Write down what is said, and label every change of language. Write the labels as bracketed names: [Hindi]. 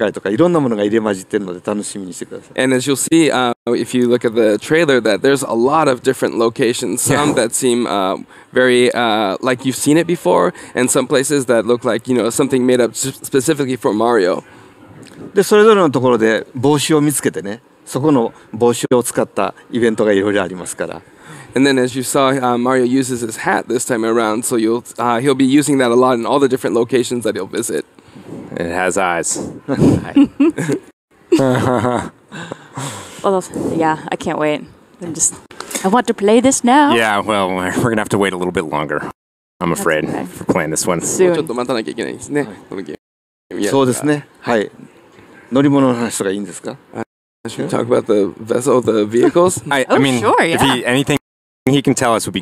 [Japanese] 絶対あの今日のシーンの中にもどっかで見たことあるようなシーンとか、それから本当のマリオの空想の世界とかいろんなものが入れ混じってるので楽しみにしてください。 [English] And as you'll see, if you look at the trailer, that there's a lot of different locations. Some that seem very like you've seen it before, and some places that look like, you know, something made up specifically for Mario. [Japanese] でそれぞれのところで帽子を見つけてね。そこの帽子を使ったイベントがいろいろありますから。And [English] then as you saw, Mario uses his hat this time around, so he'll be using that a lot in all the different locations that he'll visit. It has eyes. Well, yeah, I can't wait. I want to play this now. Yeah, well, we're going to have to wait a little bit longer, I'm afraid, for playing this one. Soon. [Japanese] ちょっと待たなきゃいけないですね。そうですね。はい。乗り物の話とかいいんですか? [English] Should we talk about the vessel, the vehicles? I mean, sure, yeah. If anything he can tell us would be